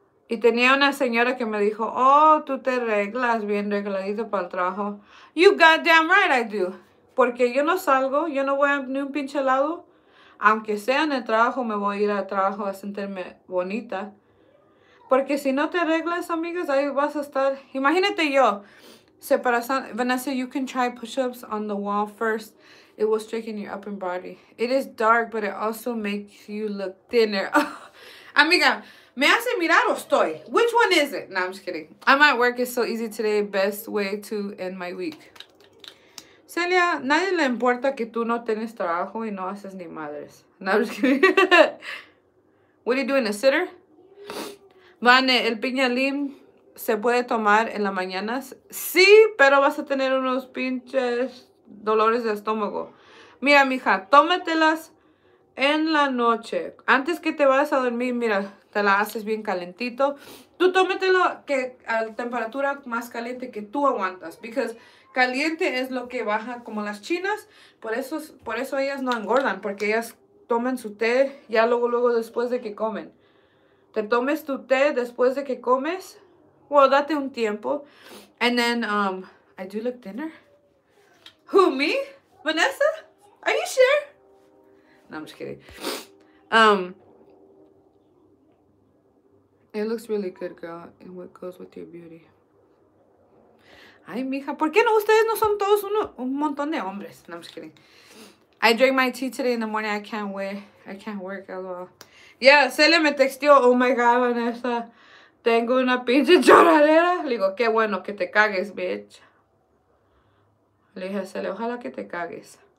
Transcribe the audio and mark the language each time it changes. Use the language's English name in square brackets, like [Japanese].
[Spanish] Y tenía una señora que me dijo, oh, tú te arreglas bien arregladito para el trabajo. [English] You goddamn right I do. [Spanish] Porque yo no salgo, yo no voy a ni un pinche lado. Aunque sea en el trabajo, me voy a ir al trabajo a sentirme bonita. Porque si no te arreglas, amigas, ahí vas a estar. Imagínate yo. Separación. [English] Vanessa, you can try push-ups on the wall first. It will straighten your upper body. It is dark, but it also makes you look thinner. [Spanish] Amiga, ¿me hace mirar o estoy? [English] Which one is it? No, I'm just kidding. I'm at work. It's so easy today. Best way to end my week. [Spanish] Celia, nadie le importa que tú no tienes trabajo y no haces ni madres. [English] No, I'm just kidding. What are you doing, a sitter? [Spanish] Vane, ¿el piñalín se puede tomar en las mañanas? Sí, pero vas a tener unos pinches dolores de estómago. Mira, mija, tómatelas en la noche. Antes que te vayas a dormir, mira, te la haces bien calentito. Tú tómatelo que a la temperatura más caliente que tú aguantas. [English] Because [Spanish] caliente es lo que baja como las chinas. Por eso ellas no engordan. Porque ellas toman su té ya luego después de que comen. Te tomes tu té después de que comes. [English] Well, [Spanish] date un tiempo. [English] And then, I do look thinner. Who, me? Vanessa? Are you sure? No, I'm just kidding. It looks really good, girl, and what goes with your beauty. [Spanish] Ay, mija, ¿por qué no? Ustedes no son todos un montón de hombres. [English] No, I'm just kidding. I drank my tea today in the morning. I can't wait. I can't work at all. [Spanish] Yeah, Celia me textió, [English] oh my god, [Spanish] Vanessa, tengo una pinche lloradera. Le digo, qué bueno que te cagues, bitch. Le dije a Celia, ojalá que te cagues.